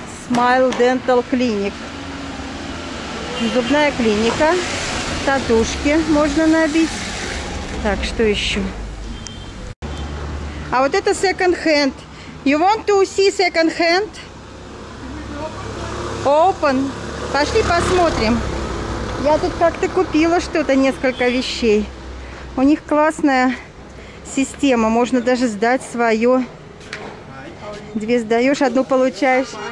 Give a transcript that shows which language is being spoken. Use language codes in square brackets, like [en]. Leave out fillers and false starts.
[ru] Smile Dental Clinic. Зубная клиника. Татушки можно набить. Так, что еще? А вот это second hand. [en] You want to see second hand? [ru] Open. Пошли посмотрим. Я тут как-то купила что-то, несколько вещей. У них классная система. Можно даже сдать свое. Две сдаешь, одну получаешь.